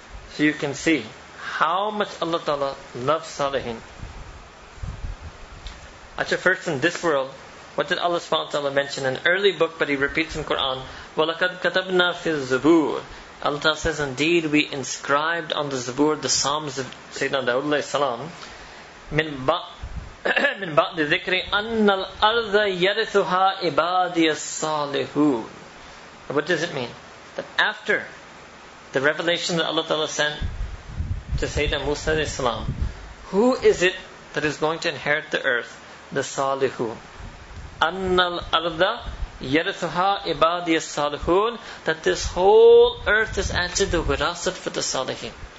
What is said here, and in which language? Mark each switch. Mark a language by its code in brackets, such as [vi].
[en] So you can see how much Allah Ta'ala loves Salihin. Actually, first in this world, what did Allah Subhanahu wa Ta'ala mention? An early book, but he repeats in Quran. [ar] وَلَقَدْ كَتَبْنَا فِي الزَّبُورِ [en] Allah Ta'ala says, Indeed, we inscribed on the Zabur the Psalms of Sayyidina Dawud alayhi salam. [ar] من بعد ذكر أن الأرض يرثها عبادي الصالحون [en] What does it mean? That after the revelation that Allah Ta'ala sent to Sayyidina Musa alayhi salam, who is it that is going to inherit the earth? The Salihun. [ar] أن الأرض يرثها عبادي الصالحون [en] That this whole earth is actually the wirasat for the Salihin.